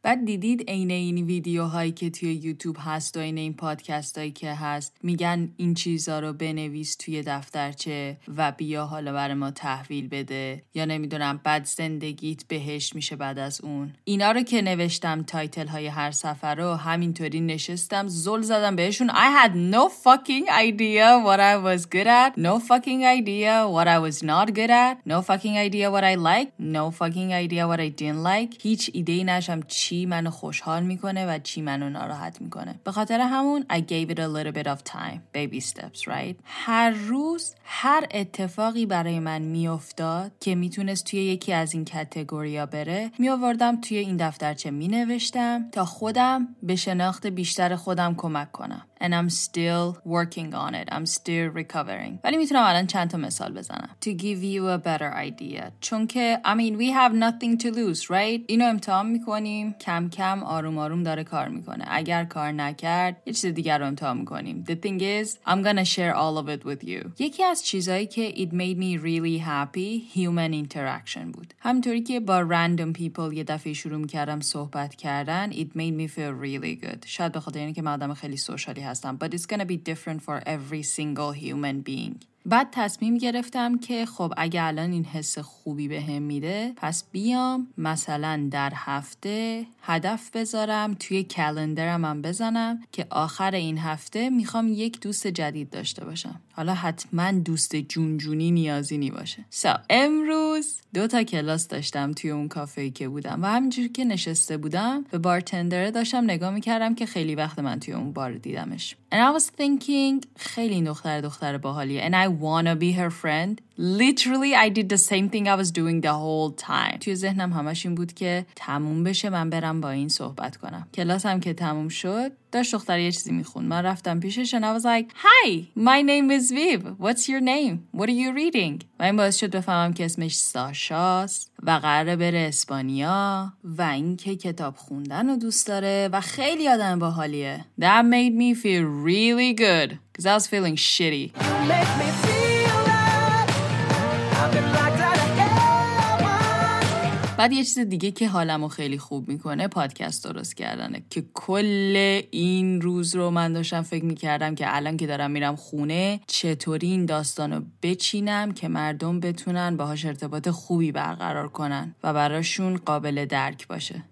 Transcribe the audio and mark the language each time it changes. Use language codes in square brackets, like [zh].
[fa] بعد دیدید اینه این ویدیوهایی که توی یوتیوب هست و اینه این پادکستایی که هست میگن این چیزا رو بنویس توی دفترچه و بیا حالا بر ما تحویل بده یا نمیدونم بعد زندگیت بهش میشه بعد از اون. اینا رو که نوشتم تایتل های هر سفر رو همینطوری نشستم زل زدم بهشون. [en] I had no fucking idea what I was good at, no fucking idea what I was not good at, no fucking idea what I like, no fucking idea what I didn't like. [fa] هیچ ایده‌ای نشم چی منو خوشحال میکنه و چی منو ناراحت میکنه. به خاطر همون [en] I gave it a little bit of time, baby steps, right. [fa] هر روز هر اتفاقی برای من میافتاد که میتونست توی یکی از این کاتگوریا بره میآوردم توی این دفترچه مینوشتم تا خودم به شناخت بیشتر خودم کمک کنم. [en] And I'm still working on it. I'm still recovering. [fa] ولی میتونم الان چند تا مثال بزنم. [en] To give you a better idea. [fa] چون که, [en] I mean, we have nothing to lose, right? [fa] اینو امتحان میکنیم. کم کم آروم آروم داره کار میکنه. اگر کار نکرد, یه چیز دیگر رو امتحان میکنیم. [en] The thing is, I'm gonna share all of it with you. [fa] یکی از چیزایی که [en] it made me really happy, human interaction [fa] بود. همینطوری که با [en] random people [fa] یه دفعه شروع میکردم صحبت کردن, [en] it made me feel really good. [fa] شاید بخاطر اینکه من آدم خیلی سوشال هستم. [en] But it's gonna be different for every single human being. [fa] بعد تصمیم گرفتم که خب اگه الان این حس خوبی به هم میده پس بیام مثلا در هفته هدف بذارم توی کلندرم هم بزنم که آخر این هفته میخوام یک دوست جدید داشته باشم. حالا حتما دوست جونجونی نیازی نباشه. So, امروز 2 کلاس داشتم توی اون کافه‌ای که بودم و همینجور که نشسته بودم به بارتندر داشتم نگاه میکردم که خیلی وقت من توی اون بار دیدمش. [en] And I was thinking [fa] خیلی دختر باحالیه. [en] And I wanna be her friend. Literally, I did the same thing I was doing the whole time. [fa] توی ذهنم همش این بود که تموم بشه من برم با این صحبت کنم. کلاسم که تموم شد داشت دختر یه چیزی میخوند. من رفتم پیشش [en] and I was like, Hi, my name is Viv. What's your name? What are you reading? [fa] و این باعث شد بفهمم که اسمش ساشاست و قراره بره اسپانیا و اینکه کتاب خوندن رو دوست داره و خیلی آدم باحالیه. [en] That made me feel really good because I was feeling shitty. [fa] بعد یه چیز دیگه که حالمو خیلی خوب میکنه پادکست درست کردنه که کل این روز رو من داشتم فکر میکردم که الان که دارم میرم خونه چطوری این داستانو بچینم که مردم بتونن باهاش ارتباط خوبی برقرار کنن و براشون قابل درک باشه.